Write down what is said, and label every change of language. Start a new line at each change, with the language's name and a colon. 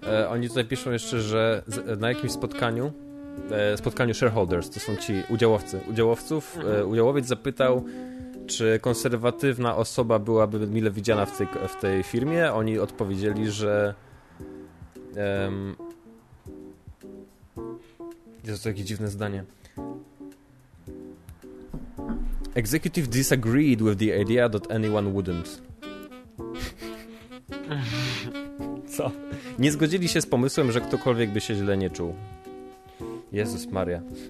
Polish: Oni tutaj piszą jeszcze, że na jakimś spotkaniu shareholders, to są ci udziałowców, udziałowiec zapytał, czy konserwatywna osoba byłaby mile widziana w tej firmie? Oni odpowiedzieli, że... Jezu, to takie dziwne zdanie.
English: Executive disagreed with the idea that anyone wouldn't.
Polish: Co? Nie zgodzili się z pomysłem, że ktokolwiek by się źle nie czuł. Jezus Maria.